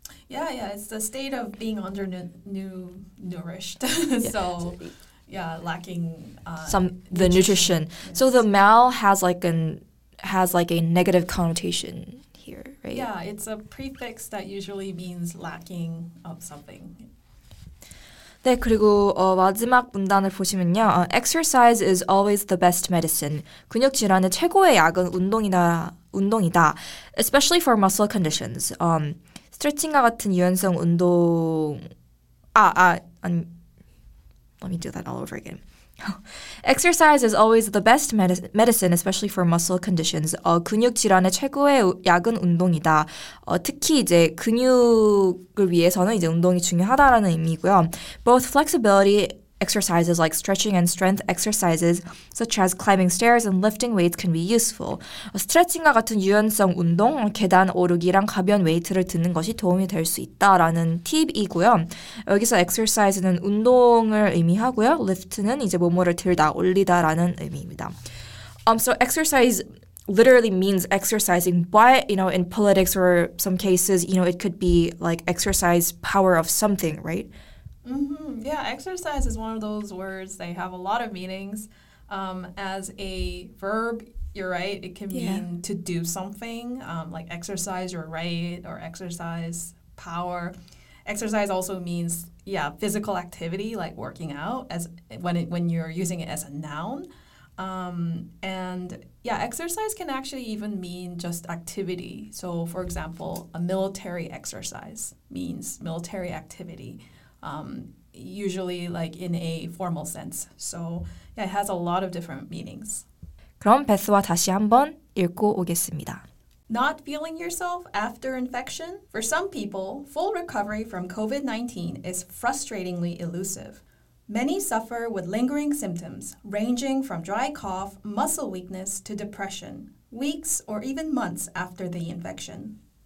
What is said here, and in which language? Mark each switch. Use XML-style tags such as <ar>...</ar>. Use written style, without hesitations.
<en>Yeah, it's the state of being undernourished. So, lacking nutrition. Yes. So the mal has like a negative connotation here, right? Yeah, it's a prefix that usually means lacking of something.</en> <ko>네, 그리고 마지막 문단을 보시면요.</ko> <en>Exercise is always the best medicine.</en> <ko>근육 질환의 최고의 약은 운동이다.</ko> <en>Especially for muscle conditions.</en> <ko>스트레칭과 같은 유연성 운동...</ko> <en>let me do that all over again. Exercise is always the best medicine, especially for muscle conditions.</en> <ko>근육 질환의 최고의 약은 운동이다. 특히 이제 근육을 위해서는 이제 운동이 중요하다라는 의미고요.</ko> <en>Both flexibility exercises like stretching and strength exercises, such as climbing stairs and lifting weights, can be useful.</en> <ko>스트레칭과 같은 유연성 운동, 계단 오르기랑 가벼운 웨이트를 드는 것이 도움이 될 수 있다라는 팁이고요. 여기서 exercise는 운동을 의미하고요. lift는 이제 몸을 들다, 올리다라는 의미입니다.</ko> <en>So exercise literally means exercising, but, you know, in politics or some cases, you know, it could be like exercise power of something, right? Yeah, exercise is one of those words. They have a lot of meanings. As a verb, you're right, it can mean to do something, like exercise your right or exercise power. Exercise also means, physical activity, like working out, when you're using it as a noun. And exercise can actually even mean just activity. So, for example, a military exercise means military activity. Usually like in a formal sense. So, yeah, it has a lot of different meanings.</en> <ko>그럼 베스와 다시 한번 읽고 오겠습니다.</ko> <en>Not feeling yourself after infection? For some people, full recovery from COVID-19 is frustratingly elusive. Many suffer with lingering symptoms ranging from dry cough, muscle weakness to depression, weeks or even months after the infection.</en>